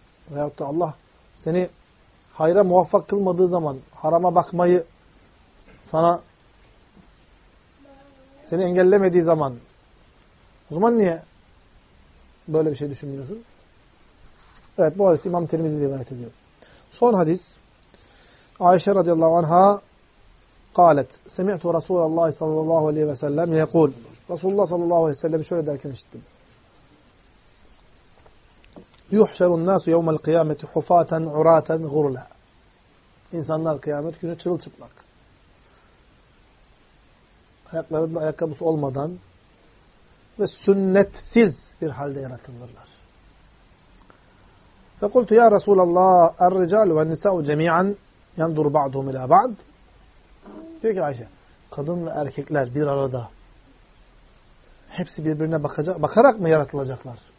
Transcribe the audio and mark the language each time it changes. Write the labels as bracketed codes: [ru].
[tr] Veyahut da Allah seni hayra muvaffak kılmadığı zaman harama bakmayı sana seni engellemediği zaman o zaman niye böyle bir şey düşünmüyorsun? Evet bu hadis İmam Tirmizi rivayet ediyor. Son hadis Ayşe radıyallahu anha [ar] قالت سمعت رسول الله صلى الله عليه وسلم يقول [tr] Resulullah sallallahu aleyhi ve sellem şöyle derken işittim. [ar] يُحْشَرُ النَّاسُ يَوْمَ الْقِيَامَةِ حُفَاتًا عُرَاتًا غُرْلًا [tr] İnsanlar kıyamet günü çırılçıplak. Ayaklarında ayakkabısı olmadan ve sünnetsiz bir halde yaratılırlar. [ar] فَقُلْتُ يَا رَسُولَ اللّٰهِ الرِّجَالُ وَالنِّسَاءُ جَمِيعًا يَنْدُرُ بَعْضُهُمْ اِلَى بَعْضٍ [tr] Diyor ki Ayşe, kadın ve erkekler bir arada hepsi birbirine bakarak mı yaratılacaklar?